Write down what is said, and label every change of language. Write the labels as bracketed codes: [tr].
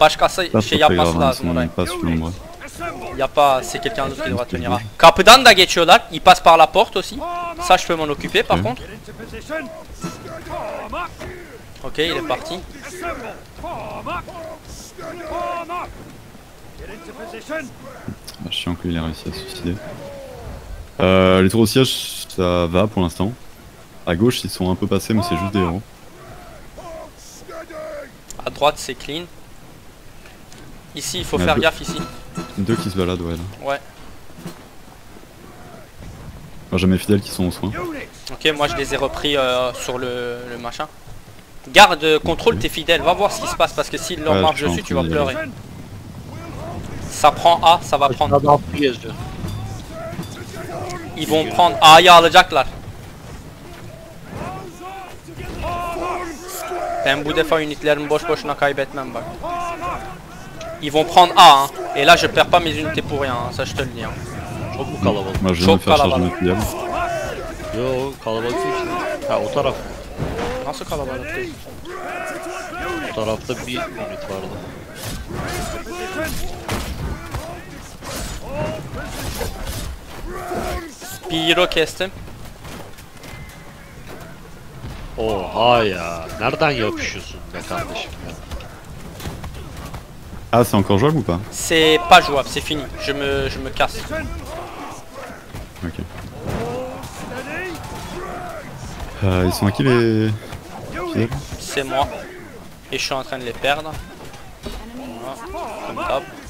[tr] Başkası şey yapması lazım. [fr] Y'a pas, c'est quelqu'un d'autre qui devra tenir A. [tr] Kapıdan da geçiyorlar, [fr] il passe par la porte aussi. Ça, je peux m'en occuper par contre. Ok, il est parti. Ah, chiant qu'il ait réussi à se suicider. Les tours au siège, ça va pour l'instant. A gauche, ils sont un peu passés, mais c'est juste des héros. A droite, c'est clean. Ici, il faut faire gaffe ici. Deux qui se baladent, ouais. Là. Ouais. Moi, j'ai mes fidèles qui sont au soin. Ok, moi, je les ai repris sur le machin. Garde, contrôle tes fidèles. Va voir ce qui se passe, parce que s'ils leur marchent dessus, tu vas pleurer. Ça prend A, ça va prendre. Ils vont prendre A, y'a le Jack là. [tr] Ben bu defa unitlerimi boş boşuna kaybetmem bak. [fr] Ils vont prendre A hein. Et là je perds pas mes unités pour rien hein. Ça je te le dis hein. [tr] Çok kalabalık. Moi, çok kalabalık. Yo kalabalık değil. Ha o taraf. Nasıl kalabalık değil? O tarafta bir unit vardı. Bir hero kestim. Oha ya, nereden yapışıyorsun be kardeşim ya? [fr] Ah, c'est encore jouable ou pas? C'est pas jouable, c'est fini. Je me casse. Ok. Ils sont à qui les fidèles? C'est moi. Et je suis en train de les perdre. comme top.